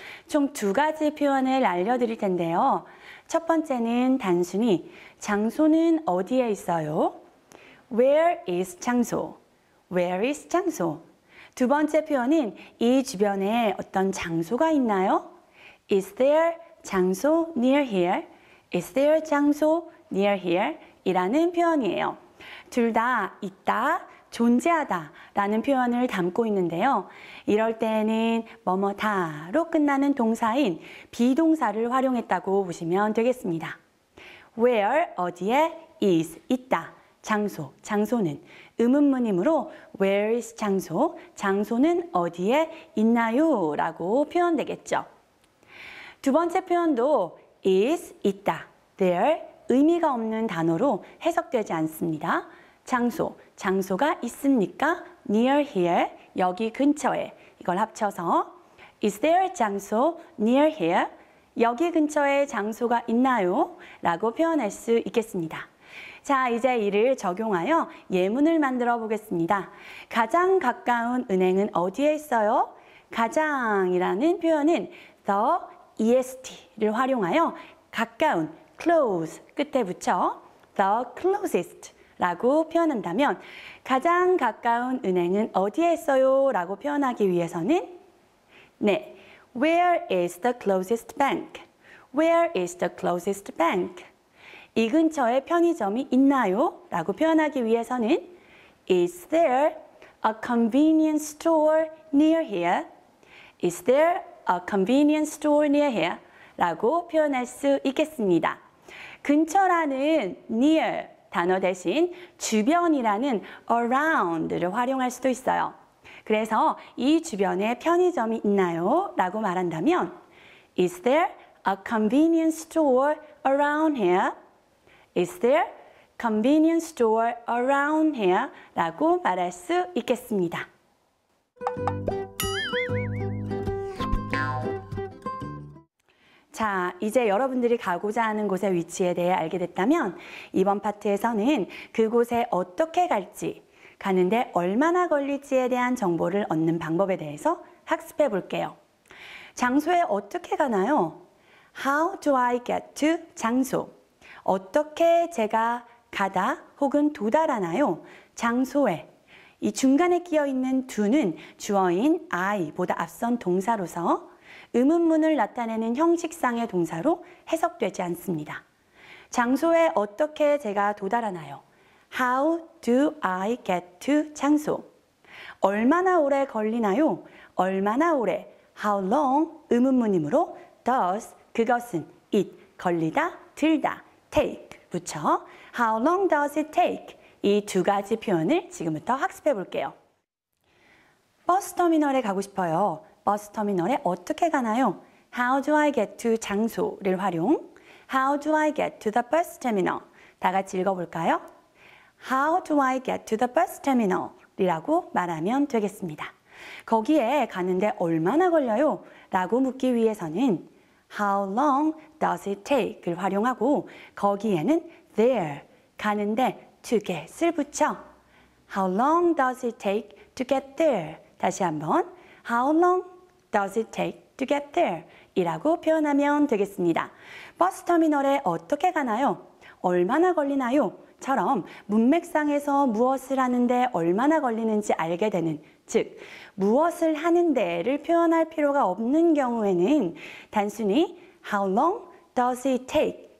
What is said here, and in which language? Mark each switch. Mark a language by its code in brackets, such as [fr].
[ko] 총 두 가지 표현을 알려드릴 텐데요. 첫 번째는 단순히 장소는 어디에 있어요? [en] Where is 장소? Where is 장소? [ko] 두 번째 표현은 이 주변에 어떤 장소가 있나요? [en] Is there 장소 near here? Is there 장소 near here? [ko] 이라는 표현이에요. 둘 다 있다, 존재하다 라는 표현을 담고 있는데요. 이럴 때에는 뭐뭐다로 끝나는 동사인 비동사를 활용했다고 보시면 되겠습니다. Where, 어디에, is, 있다, 장소, 장소는 음음문이므로 [en] Where is [ko] 장소, 장소는 어디에 있나요? 라고 표현되겠죠. 두 번째 표현도 is, 있다, there, 의미가 없는 단어로 해석되지 않습니다. 장소, 장소가 있습니까? Near here, 여기 근처에. 이걸 합쳐서 [en] Is there 장소 near here? [ko] 여기 근처에 장소가 있나요? 라고 표현할 수 있겠습니다. 자, 이제 이를 적용하여 예문을 만들어 보겠습니다. 가장 가까운 은행은 어디에 있어요? 가장이라는 표현은 the est를 활용하여 가까운 close 끝에 붙여 the closest 라고 표현한다면 가장 가까운 은행은 어디에 있어요? 라고 표현하기 위해서는 네, [en] Where is the closest bank? Where is the closest bank? [ko] 이 근처에 편의점이 있나요? 라고 표현하기 위해서는 [en] Is there a convenience store near here? Is there a convenience store near here? [ko] 라고 표현할 수 있겠습니다. 근처라는 near 단어 대신 주변이라는 around를 활용할 수도 있어요. 그래서 이 주변에 편의점이 있나요? 라고 말한다면 [en] Is there a convenience store around here? Is there convenience store around here? [ko] 라고 말할 수 있겠습니다. 자, 이제 여러분들이 가고자 하는 곳의 위치에 대해 알게 됐다면 이번 파트에서는 그곳에 어떻게 갈지, 가는데 얼마나 걸릴지에 대한 정보를 얻는 방법에 대해서 학습해 볼게요. 장소에 어떻게 가나요? [en] How do I get to 장소? [ko] 어떻게 제가 가다 혹은 도달하나요? 장소에. 이 중간에 끼어 있는 to는 주어인 I보다 앞선 동사로서 음음문을 나타내는 형식상의 동사로 해석되지 않습니다. 장소에 어떻게 제가 도달하나요? [en] How do I get to 장소? [ko] 얼마나 오래 걸리나요? 얼마나 오래? How long? 음음문이므로 does, 그것은, it, 걸리다, 들다, take 붙여 How long does it take? 이 두 가지 표현을 지금부터 학습해 볼게요. 버스 터미널에 가고 싶어요. 버스 터미널에 어떻게 가나요? [en] How do I get to 장소를 활용? How do I get to the bus terminal? [ko] 다 같이 읽어볼까요? [en] How do I get to the bus terminal? [ko] 이라고 말하면 되겠습니다. 거기에 가는데 얼마나 걸려요? 라고 묻기 위해서는 How long does it take?를 활용하고 거기에는 there, 가는데 to get을 붙여 [en] How long does it take to get there? 다시 한번 How long does it take to get there? [ko] 이라고 표현하면 되겠습니다. 버스 터미널에 어떻게 가나요? 얼마나 걸리나요? 처럼 문맥상에서 무엇을 하는데 얼마나 걸리는지 알게 되는 즉, 무엇을 하는데를 표현할 필요가 없는 경우에는 단순히 [en] How long does it take?